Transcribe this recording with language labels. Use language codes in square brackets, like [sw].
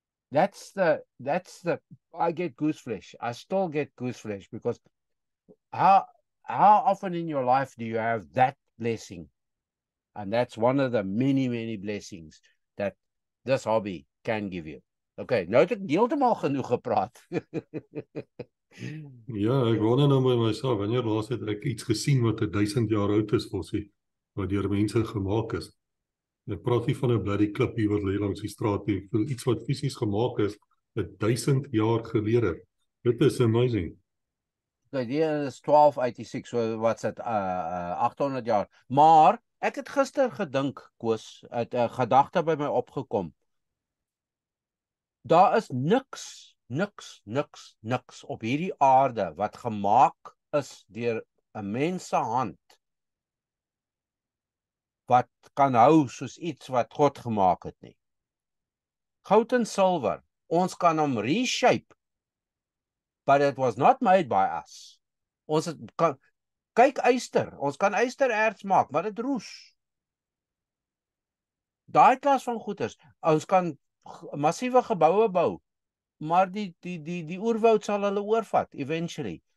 [en] That's the I get goose flesh. I still get goose flesh because how often in your life do you have that blessing? And that's one of the many, many blessings that this hobby can give you. [af] Okay, nou het ek deeltemal genoeg gepraat. Ja, ek wonder nou by myself, wanneer laas het ek iets gesien wat 1000 jaar oud is, Vossie, wat deur mense gemaak is. Ek praat hier van 'n bloody klip hier wat lê langs die straat en voel iets wat fisies gemaak is, 1000 jaar gelede. Dit is amazing. Okay, die is 1286, so wat's dit, 800 jaar. Maar, ek het gister gedink, Koos, het 'n gedagte by my opgekom. Daar is niks op hierdie aarde wat gemaak is deur 'n mense hand wat kan hou soos iets wat God gemaak het nie. Goud en silwer, ons kan hom reshape, [en] but it was not made by us. [af] Ons het, kan kyk yster, ons kan ystererts maak, maar dit roes. Daai klas van goeders, ons kan massiewe geboue bou, maar die oerwoud sal hulle oorvat eventually.